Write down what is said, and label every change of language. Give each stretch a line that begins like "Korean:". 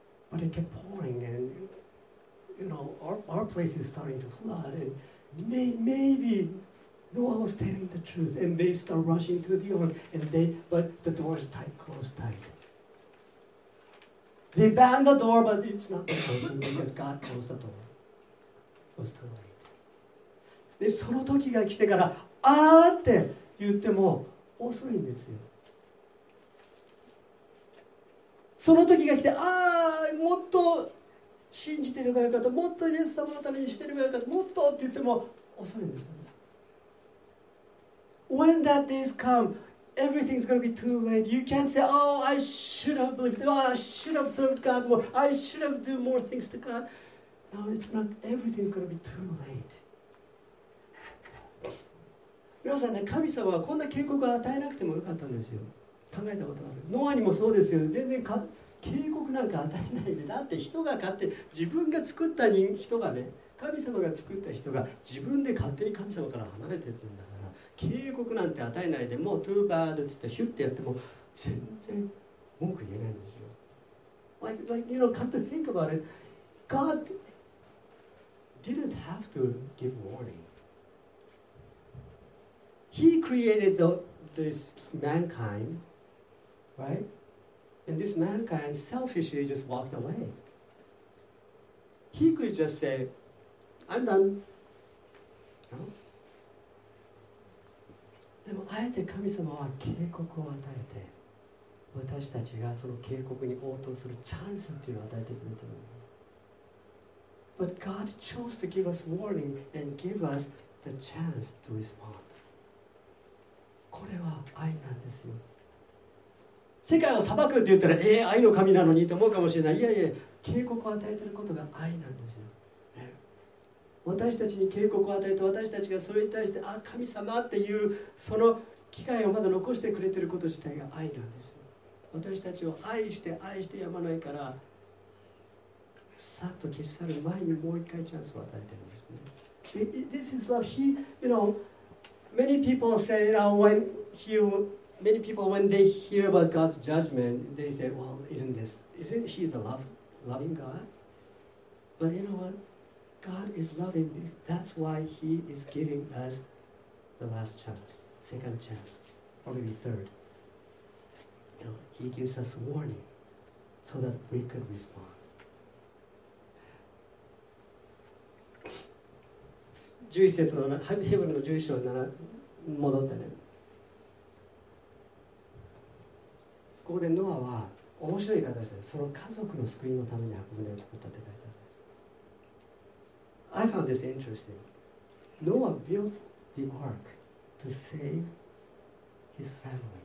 English: But it kept pouring andYou know, our place is starting to flood, and maybe Noah was telling the truth, and they start rushing to the ark, but the door is tight, closed tight. They banned the door, but it's not open because God closed the door. It was too late.
Japanese: で、その時が来てから、あーって言っても遅いんですよ。その時が来て、あーもっと信じてればよかった、もっとイエス様のためにしてればよかった、もっとって言っても遅いんですよね。
English: When that days come, everything's gonna be too late. You can't say, oh, I should have believed, oh, I should have served God more, I should have done more things to God. No, it's not, everything's gonna be too late.
Japanese: 皆さんね、神様はこんな警告を与えなくてもよかったんですよ。考えたことある。ノアにもそうですよ。全然か警告なんか与えないで、だって人が勝手、自分が作った人がね、神様が作った人が自分で勝手に神様から離れてるんだから、警告なんて与えないで、もうトゥーバードって言ってヒュッてやっても全然文句言えないんですよ。
English: Like, you know, come to think about it, God didn't have to give warning. He created this mankind, right? And this mankind selfishly just walked away. He could just say, I'm done. No?
Japanese: でもあえて神様は警告を与えて、私たちがその警告に応答するチャンスっていうのを与えてくれてる。
English: But God chose to give us warning and give us the chance to respond.
Japanese: これは愛なんですよ。世界を裁くって言ったら、愛の神なのにと思うかもしれない。いやいや、警告を与えてることが愛なんですよ。私たちに警告を与えて、私たちがそれに対して、あ、神様っていうその機会をまだ残してくれてること自体が愛なんですよ。私たちを愛して愛してやまないから、さっと消し去る前にもう一回チャンスを与えてるんですね。
English: This is love. He, you know, many people say, you know, when he, many people when they hear about God's judgment, they say, well, isn't he the loving God? But you know what? God is loving. That's why he is giving us the last chance, second chance, or maybe third. You know, he gives us warning so that we could respond.
Japanese: 11節のヘブルの11章に戻ってね、ここでノアは面白い形で、その家族の救いのために箱舟を作ったって書いてあるんです。
English: I found this interesting. Noah built the ark to save his family.